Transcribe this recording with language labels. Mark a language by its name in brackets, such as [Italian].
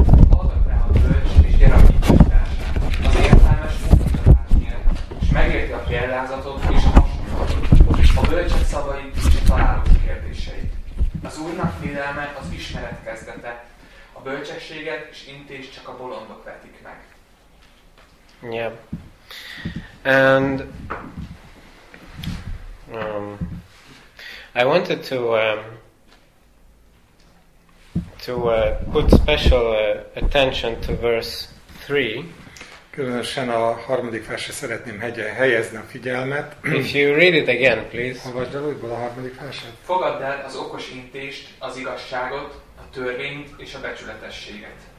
[Hungarian] Hallgat rá a bölcs és gyarapítását, az értelmes mondatás nyert, és megérti a példázatot és a hasonlatot, a bölcsek szavait és a találó kérdéseit. Az Úrnak félelme az ismeret kezdete, a bölcsességet és intést csak a bolondok vetik meg. [English] Yeah. And I wanted to put special attention to verse 3. [Hungarian] Különösen a harmadik versre szeretném helyezni a figyelmet. [English] If you read it again, please. [Hungarian] Olvasd el újból a harmadik verset. Fogadd el az okos intést, az igazságot, a törvényt és a becsületességet.